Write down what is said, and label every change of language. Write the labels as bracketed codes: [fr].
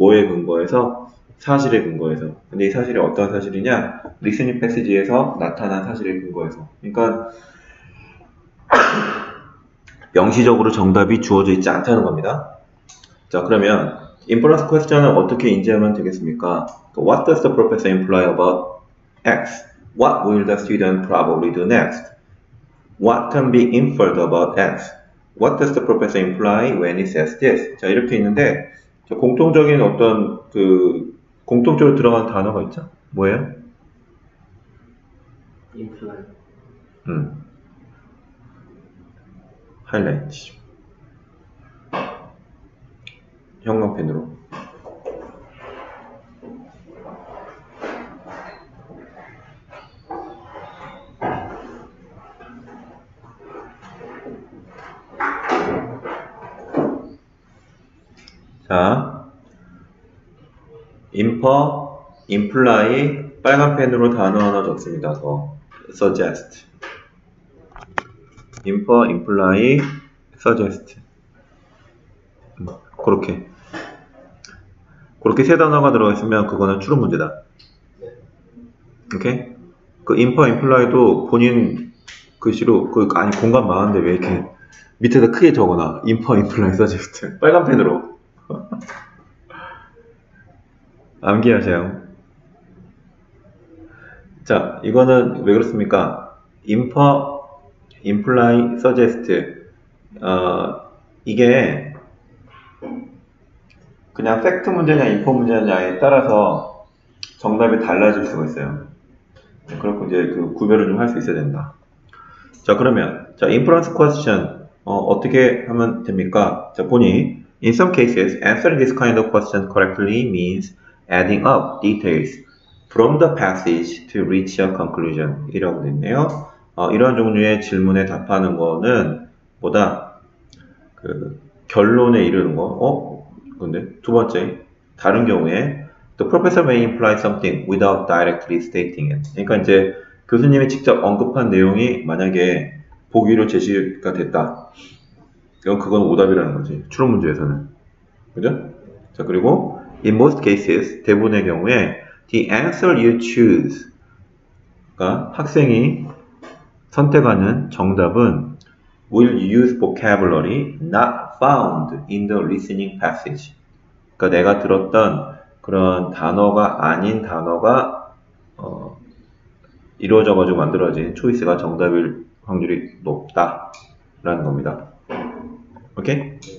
[ko] 뭐에 근거해서? 사실에 근거해서. 근데 이 사실이 어떤 사실이냐? 리스닝 패시지에서 나타난 사실에 근거해서. 그러니까 명시적으로 정답이 주어져 있지 않다는 겁니다. 자, 그러면 인퍼런스 퀘스천은 어떻게 인지하면 되겠습니까? [en] What does the professor imply about X? What will the student probably do next? What can be inferred about X? What does the professor imply when he says this? [ko] 자, 이렇게 있는데, 자, 공통적인 어떤 그 공통적으로 들어간 단어가 있죠? 뭐예요? [en] Imply. [ko] 하이라이트. 형광펜으로. 자, [en] infer, imply, [ko] 빨간 펜으로 단어 하나 적습니다. 더 [en] suggest, infer, imply, suggest. [ko] 그렇게 그렇게 세 단어가 들어가 있으면 그거는 추론 문제다. 오케이? 그 [en] infer, imply [ko] 도 본인 글씨로 그 아니 공간 많은데 왜 이렇게 밑에다 크게 적어놔? [en] infer, imply, suggest. [ko] 빨간 펜으로. 암기하세요. 자, 이거는 왜 그렇습니까? [en] infer, imply, suggest. [ko] 이게 그냥 팩트 문제냐, 인포 문제냐에 따라서 정답이 달라질 수가 있어요. 그렇고 이제 그 구별을 좀할수 있어야 된다. 자, 그러면 자, [en] inference question [ko] 어떻게 하면 됩니까? 자, 보니 [en] In some cases, answering this kind of question correctly means adding up details from the passage to reach a conclusion. [ko] 이라고 됐네요. 이러한 종류의 질문에 답하는 거는 뭐다? 그 결론에 이르는 거. 근데 두 번째, 다른 경우에 [en] The professor may imply something without directly stating it. [ko] 그러니까 이제 교수님이 직접 언급한 내용이 만약에 보기로 제시가 됐다. 그건 오답이라는 거지. 추론 문제에서는. 그죠? 자, 그리고 [en] In most cases, [ko] 대부분의 경우에 [en] The answer you choose [ko] 그러니까 학생이 선택하는 정답은 [en] Will use vocabulary not found in the reasoning passage. [ko] 그러니까 내가 들었던 그런 단어가 아닌 단어가 이루어져가지고 만들어진 초이스가 정답일 확률이 높다라는 겁니다. 오케이?